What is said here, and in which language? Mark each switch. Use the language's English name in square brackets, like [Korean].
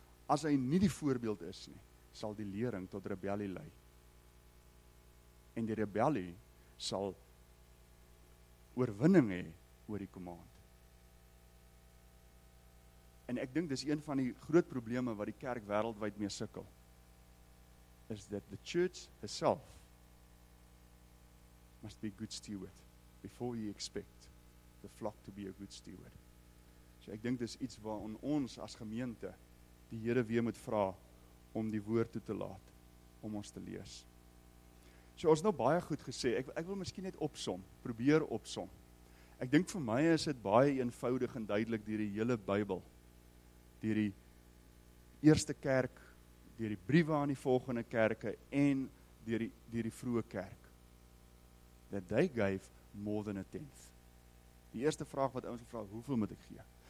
[Afrikaans] As hy nie die voorbeeld is nie, sal die lering tot rebellie lei. En die rebellie sal oorwinning hê oor die command. En ek dink dis een van die groot probleme wat die kerk wêreldwyd mee sukkel. [English] Is that the church herself must be a good steward before you expect the flock to be a good steward. [Afrikaans] So ek dink dis iets waaraan ons as gemeente die Here weer moet vra om die woord toe te laat, om ons te lees. So ons nou baie goed gesê, ek wil miskien net opsom, probeer opsom. Ek dink vir my is dit baie eenvoudig en duidelik deur die hele Bybel, deur die eerste kerk, deur die briewe aan die volgende kerke en deur die vroeë kerk. [English] That they gave more than a tenth. [Afrikaans] Die eerste vraag wat ons vra, hoeveel moet ek gee?